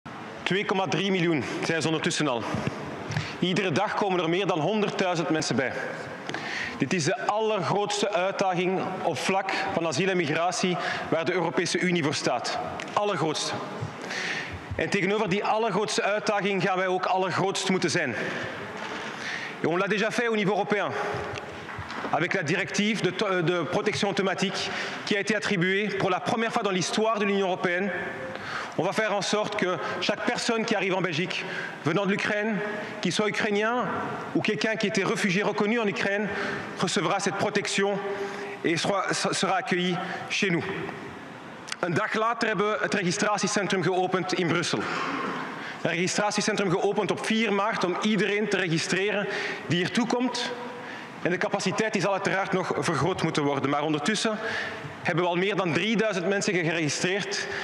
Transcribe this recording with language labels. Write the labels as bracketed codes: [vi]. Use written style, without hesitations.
[nl] 2,3 miljoen zijn ze ondertussen al. Iedere dag komen er meer dan 100.000 mensen bij. Dit is de allergrootste uitdaging op vlak van asiel en migratie waar de Europese Unie voor staat. Allergrootste. En tegenover die allergrootste uitdaging gaan wij ook allergrootst moeten zijn. [fr] Et on l'a déjà fait au niveau européen, avec la directive de protection automatique qui a été attribuée pour la première fois dans l'histoire de l'Union européenne. On va faire en sorte que chaque personne qui arrive en Belgique, venant de l'Ukraine, qu'il soit ukrainien ou quelqu'un qui était réfugié reconnu en Ukraine, recevra cette protection et sera accueilli chez nous. [nl] Een dag later hebben we het registratiecentrum geopend in Brussel. Een registratiecentrum geopend op 4 maart om iedereen te registreren die hier toekomt. En de capaciteit die zal uiteraard nog vergroot moeten worden. Maar ondertussen hebben we al meer dan 3000 mensen geregistreerd.